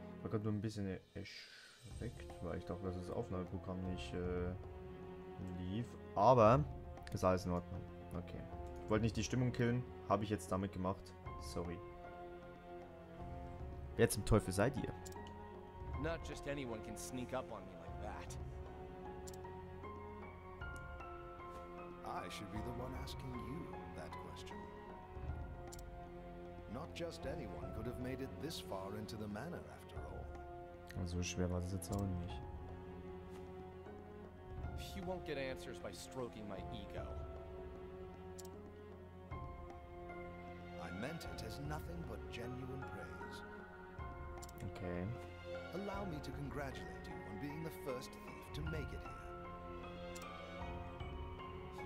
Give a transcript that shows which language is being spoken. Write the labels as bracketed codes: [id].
[de] Ich war gerade nur ein bisschen erschreckt, weil ich dachte, dass das Aufnahmeprogramm nicht lief. Aber ist alles in Ordnung. Okay. Ich wollte nicht die Stimmung killen. Habe ich jetzt damit gemacht. Sorry. Wer zum Teufel seid ihr? [en] Not just anyone can sneak up on me like that. I should be the one asking you that question. Not just anyone could have made it this far into the manor, after all. [de] Also schwer war es jetzt auch nicht. [en] You won't get answers by stroking my ego. I meant it as nothing but genuine praise. Okay. Allow me to congratulate you on being the first thief to make it here.